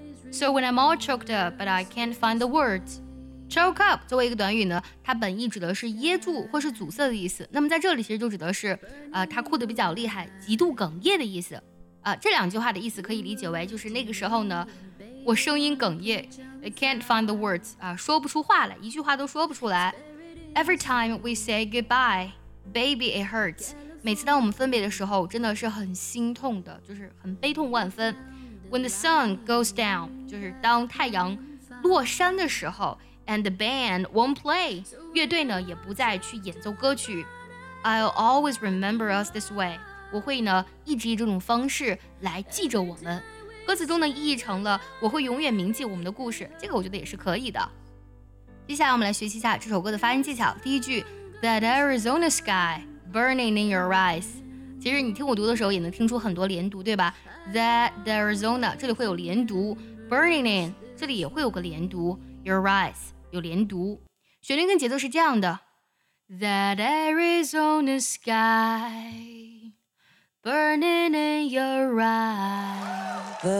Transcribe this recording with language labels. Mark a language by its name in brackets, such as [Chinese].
[English] So when I'm all choked up But I can't find the words [Chinese] Choke up 作为一个短语呢它本意指的是噎住或是阻塞的意思那么在这里其实就指的是他哭得比较厉害极度哽咽的意思这两句话的意思可以理解为就是那个时候呢我声音哽咽 [English] I can't find the words [Chinese] 说不出话来一句话都说不出来 [English] Every time we say goodbyeBaby, it hurts. [Chinese] 每次当我们分别的时候，真的是很心痛的，就是很悲痛万分。 [English] When the sun goes down, [Chinese] 就是当太阳落山的时候 ， [English] and the band won't play, [Chinese] 乐队呢也不再去演奏歌曲。 [English] I'll always remember us this way. [Chinese] 我会呢一直以这种方式来记着我们。歌词中的意义成了我会永远铭记我们的故事，这个我觉得也是可以的。接下来我们来学习一下这首歌的发音技巧。第一句。 [English] That Arizona sky burning in your eyes [Chinese] 其实你听我读的时候也能听出很多连读对吧 That Arizona 这里会有连读 Burning in 这里也会有个连读 Your eyes 有连读旋律跟节奏是这样的 That Arizona sky Burning in your eyes